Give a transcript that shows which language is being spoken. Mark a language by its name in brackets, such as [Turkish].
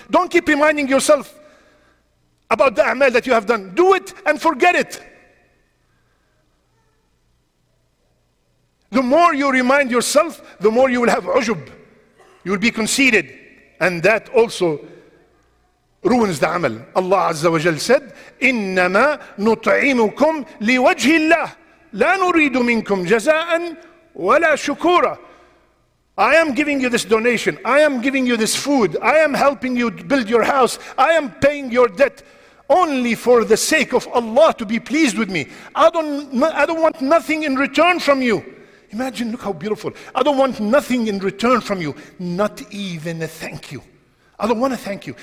[English] Don't keep reminding yourself about the amal that you have done. Do it and forget it. The more you remind yourself, the more you will have ujub. You will be conceited. And that also ruins the amal. [Arabic] Allah Azza wa Jal said, إِنَّمَا نُطْعِمُكُمْ لِوَجْهِ اللَّهِ لَا نُرِيدُ مِنْكُمْ جَزَاءً وَلَا شُكُورًا. [English] I am giving you this donation. I am giving you this food. I am helping you build your house. I am paying your debt only for the sake of Allah to be pleased with me. I don't want nothing in return from you. Imagine, look how beautiful. I don't want nothing in return from you. Not even a thank you. I don't want to thank you.